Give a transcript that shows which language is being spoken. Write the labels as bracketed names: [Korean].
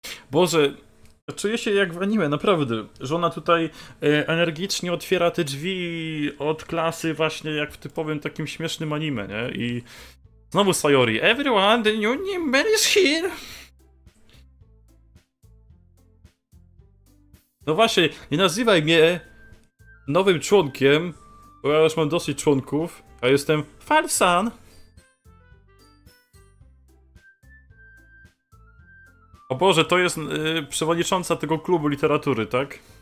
[Polish] Boże, czuję się jak w anime, naprawdę. Że ona tutaj energicznie otwiera te drzwi od klasy właśnie jak w typowym takim śmiesznym anime, nie? I... Znowu Sayori. [English] Everyone, the new name is here! [Polish] No właśnie, nie nazywaj mnie nowym członkiem, bo ja już mam dosyć członków, a jestem Falsan! O Boże, to jest przewodnicząca tego klubu literatury, tak?